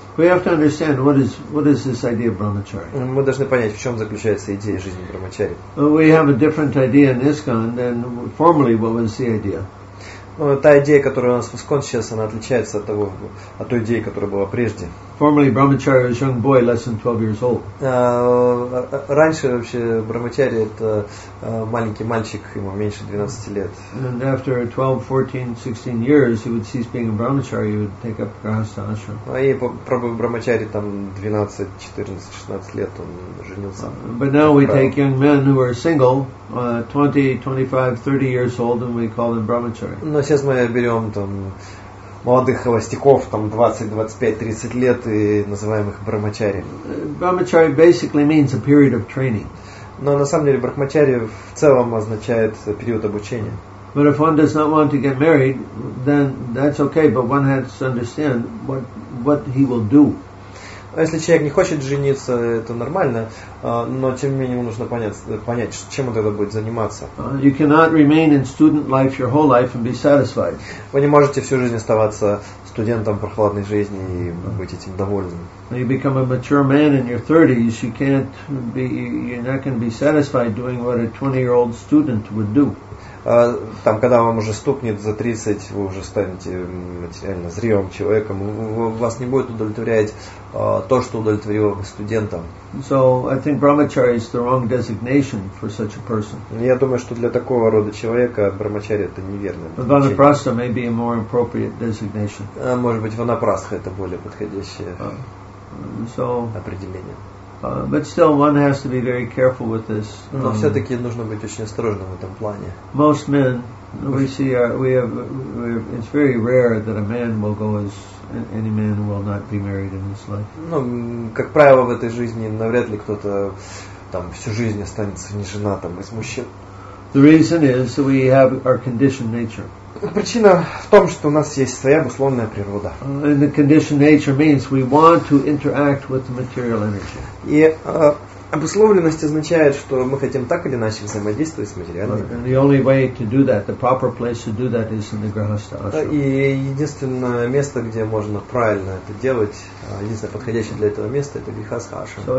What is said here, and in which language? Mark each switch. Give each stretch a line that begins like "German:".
English: We have to understand what is this idea of brahmacharya.
Russian: Мы должны понять, в чем заключается идея жизни брахмачари.
English: We have a different idea in ISKCON than formerly what was the idea.
Russian: Ну, та идея, которая у нас в ISKCON сейчас, она отличается от того, от той идеи, которая была прежде.
English: Formerly brahmacharya was young boy less than 12 years old.
Russian: Раньше вообще брахмачари это маленький мальчик, ему меньше 12 лет.
English: And after 12, 14, 16 years, he would cease being a brahmacharya, he would take up grihastha ashram.
Russian: А и пробыв брахмачари там 12, 14, 16 лет, он женился.
English: But now we take young men who are single, 20, 25, 30 years old, and we call them brahmachari.
Russian: Но сейчас мы берем там молодых холостяков, там 20, 25, 30 лет, и называем их брахмачари.
English: Brahmachari basically means a period of training.
Russian: Но на самом деле брахмачари в целом означает период обучения.
English: But if one does not want to get married, then that's okay, but one has to understand what he will do.
Russian: Если человек не хочет жениться, это нормально, но тем не менее ему нужно понять, чем он тогда будет заниматься.
English: You cannot remain in student life your whole life and be satisfied.
Russian: Вы не можете всю жизнь оставаться студентом прохладной жизни и быть этим довольным.
English: You become a mature man in your 30s, you can't be, you're not going to be satisfied doing what a 20-year-old student would do.
Russian: Там, когда вам уже стукнет за 30, вы уже станете материально зрелым человеком, вас не будет удовлетворять то, что удовлетворило бы студентам.
English: So I think brahmachari is the wrong designation for such a person.
Russian: Я думаю, что для такого рода человека брахмачари это неверное.
English: Ванапрастха may be a more appropriate designation.
Russian: Может быть, ванапрастха это более подходящее определение.
English: But still, one has to be very careful with this.
Russian: Но все-таки нужно быть очень осторожным в этом плане.
English: Most men, we see, we have. It's very rare that a man will go as any man will not be married in his life.
Russian: Ну, как правило, в этой жизни навряд ли кто-то там всю жизнь останется не женатым из мужчин.
English: The reason is we have our conditioned nature.
Russian: Причина в том, что у нас есть своя обусловленная природа.
English: And the conditioned nature means we want to interact with the material energy.
Russian: И обусловленность означает, что мы хотим так или иначе взаимодействовать с материальной энергией.
English: And the only way to do that, the proper place to do that is in the grihastha ashram.
Russian: И единственное место, где можно правильно это делать, единственное подходящее для этого место, это grihastha ashram.